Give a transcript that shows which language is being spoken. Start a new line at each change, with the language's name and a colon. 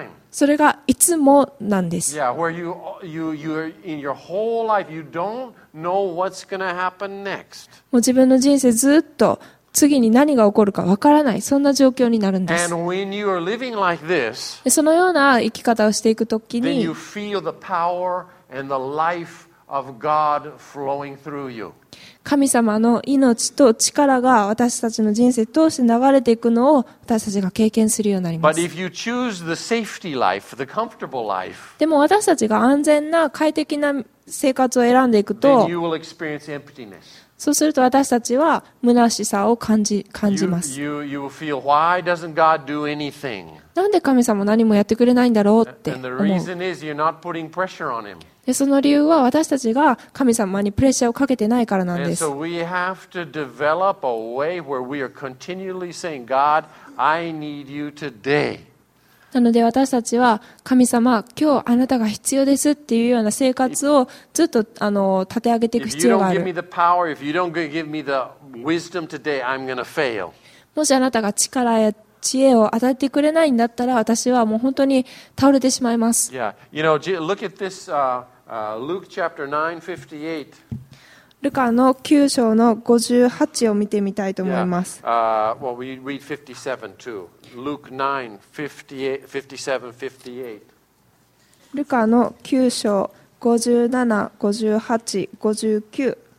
Japanese: それがいつもなんです。
English: Yeah, where you're in your whole life, you don't know what's gonna happen next.
Japanese: もう自分の人生ずっと次に何が起こるかわからない、そんな状況になるんです。
English: And when you are living like this,
Japanese: そのような生き方をしていくときに、
English: then you feel the power and the life of God flowing through you.
Japanese: 神様の命と力が私たちの人生を通して流れていくのを私たちが経験するようになります。
English: But if you choose the safety life, the comfortable life,
Japanese: でも私たちが安全な快適な生活を選んでいくと、
English: then you will experience emptiness.
Japanese: そうすると私たちは虚しさを感じます。
English: You will feel, why doesn't God do anything?
Japanese: なんで神様何もやってくれないんだろうって思う。
English: And the reason is you're not putting pressure on him.
Japanese: で、その理由は私たちが神様にプレッシャーをかけてないからなんです。
English: And so we have to develop a way where we are continually saying, God, I need you today.
Japanese: なので私たちは神様、今日あなたが必要ですっていうような生活をずっと立て上げていく必要がある。
English: If you don't give me the power, if you don't give me the wisdom today, I'm going to fail.
Japanese: もしあなたが力や知恵を与えてくれないんだったら、私はもう本当に倒れてしまいます。
English: Yeah. You know, look at this, Luke chapter 9:58.
Japanese: ルカの9章の58を見てみたいと思います。
English: Yeah. Well, we read 57 too. Luke 9, 58,
Japanese: 57, 58. ルカの9章57、58、59。